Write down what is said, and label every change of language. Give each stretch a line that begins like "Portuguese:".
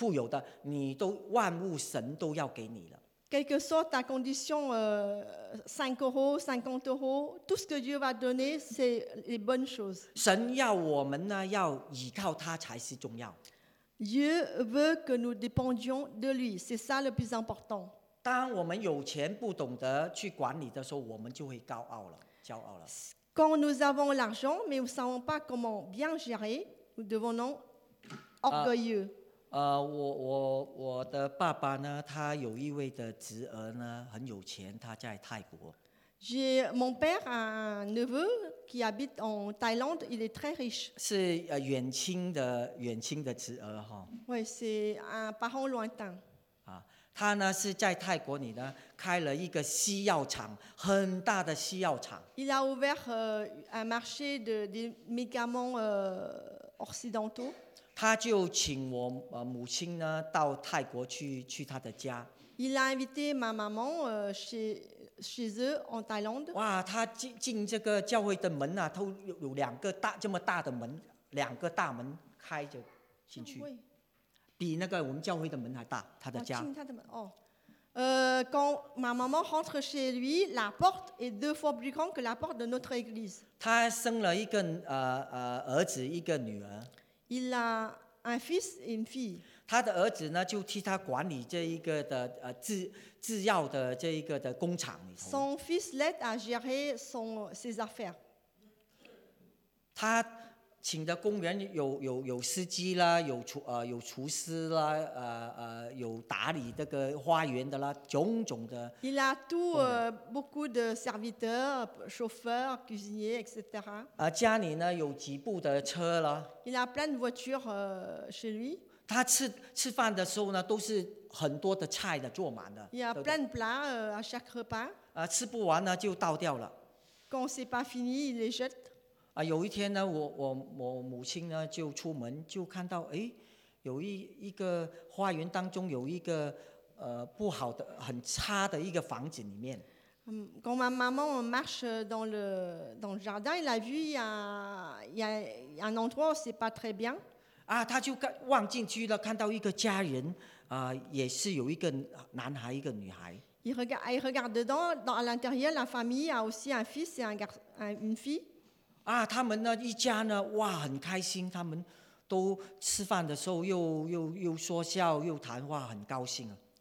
Chinese: 无论你是有五块钱，你五十块，你穷的，没有钱，穷，富有的，你都万物神都要给你了。
French: Quelle que soit ta condition, 5 euros, 50 euros, tout ce que Dieu va donner, c'est les bonnes choses.
Chinese: 神要我们呢，要依靠他才是重要。
French: Dieu veut que nous dépendions de lui, c'est ça le plus important.
Chinese: 当我们有钱不懂得去管理的时候，我们就会高傲了，骄傲了。
French: Quand nous avons l'argent, mais nous ne savons pas comment bien gérer, nous devenons orgueilleux.
Chinese: 我的爸爸呢，他有一位的侄儿呢，很有钱，他在泰国。
French: J'ai mon père un neveu qui habite en Thaïlande. Il est très riche.
Chinese: 是远亲的远亲的侄儿哈。
French: Oui, c'est un parent lointain.
Chinese: 啊，他呢是在泰国里呢开了一个西药厂，很大的西药厂。
French: Il a ouvert un marché de des médicaments occidentaux.
Chinese: 他就请我母亲呢到泰国去他的家。
French: Il a invité ma maman chez eux en Thaïlande.
Chinese: 哇，他进这个教会的门啊，都有两个大这么大的门，两个大门开着进去，比那个我们教会的门还大。他的家。进他的门哦。
French: Quand ma maman rentre chez lui, la porte est deux fois plus grande que la porte de notre église.
Chinese: 他生了一个儿子，一个女儿。
French: Il a un fils et une fille.
Chinese: 他的儿子呢，就替他管理这一个的制药的这一个的工厂里头。
French: Son fils l'aide à gérer ses affaires.
Chinese: 他请的工人有司机啦，有厨师啦，有打理这个花园的啦，种种的。
French: Il a tout beaucoup de serviteurs, chauffeurs, cuisiniers, etc.
Chinese: 家里呢有几部的车啦。
French: Il a plein de voitures chez lui.
Chinese: 他吃饭的时候呢，都是很多的菜的做满的。
French: Il a plein de plats à chaque repas.
Chinese: 吃不完呢就倒掉了。
French: Quand c'est pas fini, il les jette.
Chinese: 有一天呢 我母亲呢就出门，就看到哎，有一个花园当中有一个不好的很差的一个房子里面。
French: Quand ma maman marche dans le jardin, il a vu il y a un endroit où c'est pas très bien.
Chinese: 他就望进去了，看到一个家人也是有一个男孩一个女孩。
French: Il regarde dedans, dans à l'intérieur, la famille a aussi un fils et une fille.
Chinese: 他们呢一家呢，哇，很开心。他们都吃饭的时候又说笑，又谈话，很高兴啊。